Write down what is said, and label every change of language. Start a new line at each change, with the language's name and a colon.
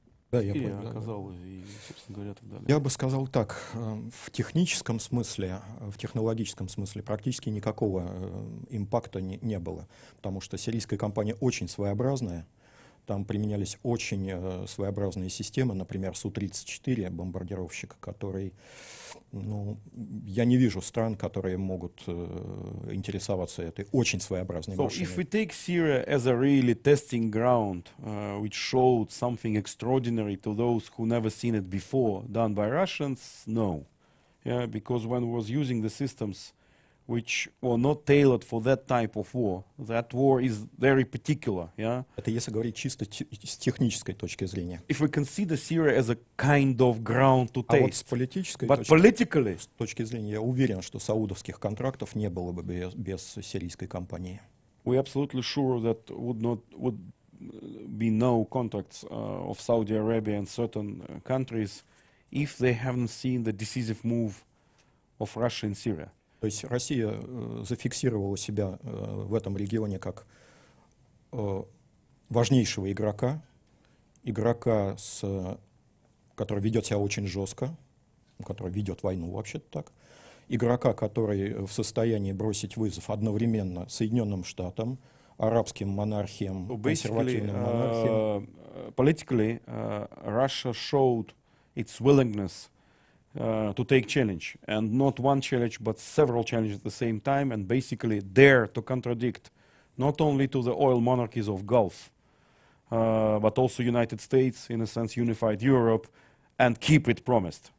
Russian: Да, я сказал, собственно говоря, так далее. Я бы сказал так, в техническом смысле, в технологическом смысле практически никакого импакта не было, потому что сирийская компания очень своеобразная, там применялись очень своеобразные системы, например, Су-34 бомбардировщик, который, ну, я не вижу стран, которые могут интересоваться этой очень своеобразной машиной.
English: So if we take Syria as a really testing ground, which showed something extraordinary to those who never seen it before, done by Russians, no. Yeah, because when we was using the systems which were not tailored for that type of war. That war is very particular. Yeah?
Russian: Это если говорить чисто с технической точки зрения.
English: If we consider Syria as a kind of ground to taste.
Russian: А вот с политической с точки зрения, я уверен, что саудовских контрактов не было бы без сирийской компании.
English: We absolutely sure that would be no contracts of Saudi Arabia and certain countries if they haven't seen the decisive move of Russia in Syria.
Russian: То есть Россия зафиксировала себя в этом регионе как важнейшего игрока, игрока, который ведет себя очень жестко, который ведет войну вообще-то так, игрока, который в состоянии бросить вызов одновременно Соединенным Штатам, арабским монархиям, консервативным монархиям.
English: Politically, Russia showed its willingness to take challenge, and not one challenge, but several challenges at the same time, and basically dare to contradict not only to the oil monarchies of Gulf, but also United States, in a sense, unified Europe, and keep it promised.